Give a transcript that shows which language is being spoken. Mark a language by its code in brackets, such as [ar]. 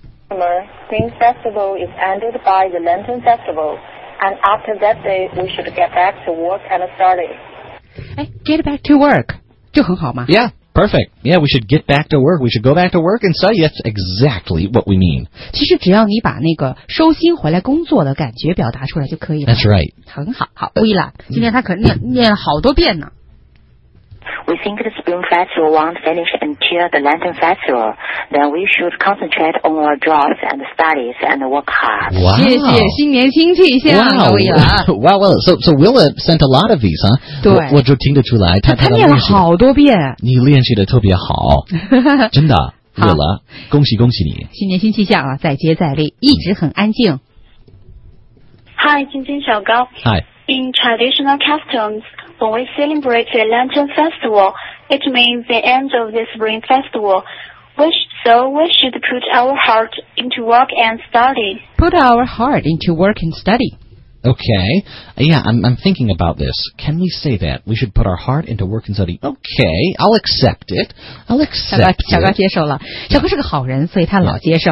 [en] Summer Spring Festival is ended by the Lantern Festival, and after that day, we should get back to work and study. Get back to work [zh] 就很好吗 [en] ？Yeah, perfect. Yeah, we should get back to work. We should go back to work and study. That's exactly what we mean. [zh] 其实只要你把那个收心回来工作的感觉表达出来就可以了。 [en] That's right. [zh] 很好，好，注意了。今天他可念了好多遍呢。 [en] We think the Spring Festival won't finish until the Lantern Festival. Then we should concentrate on our jobs and studies and work hard. Wow. [zh] 谢谢，新年新气象。 Wow. 可以了。 [en] Wow, well, so Willa sent a lot of these, huh? [zh] 对。我就听得出来。他念了好多遍。你练习的特别好。真的，Willa，恭喜恭喜你。新年新气象啊，再接再厉，一直很安静。 [en] Hi, 晶晶小高。 Hi. In traditional customs, when we celebrate the Lantern Festival, it means the end of the Spring Festival. We should put our heart into work and study. Put our heart into work and study. Okay. Yeah, I'm thinking about this. Can we say that? We should put our heart into work and study. Okay, I'll accept it. I'll accept it. [zh] 小高接受了。小高是个好人，所以他老接受。